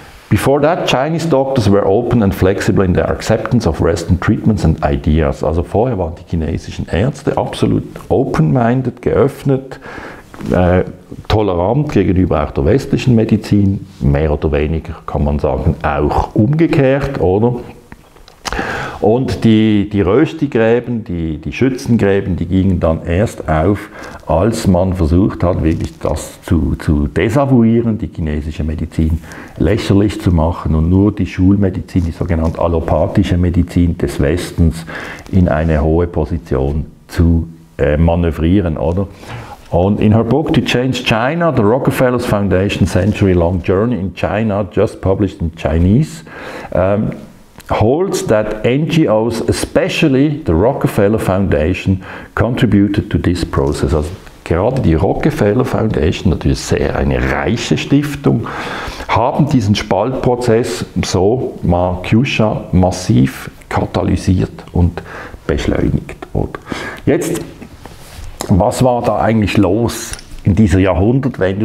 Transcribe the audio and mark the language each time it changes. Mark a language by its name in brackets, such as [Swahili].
[English] Before that, Chinese doctors were open and flexible in their acceptance of Western treatments and ideas. [German] Also vorher waren die chinesischen Ärzte absolut open-minded, geöffnet, tolerant gegenüber auch der westlichen Medizin, mehr oder weniger kann man sagen, auch umgekehrt, oder? Und die Röstigräben, die Schützengräben, die gingen dann erst auf, als man versucht hat, wirklich das zu desavouieren, die chinesische Medizin lächerlich zu machen und nur die Schulmedizin, die sogenannte allopathische Medizin des Westens, in eine hohe Position zu manövrieren, oder? [English] Und in her book To Change China, The Rockefeller's Foundation Century Long Journey in China, just published in Chinese, holds that NGOs, especially the Rockefeller Foundation, contributed to this process. [German] Also gerade die Rockefeller Foundation, natürlich sehr eine reiche Stiftung, haben diesen Spaltprozess, so Ma Qisha, massiv katalysiert und beschleunigt. Und jetzt, was war da eigentlich los in dieser Jahrhundertwende?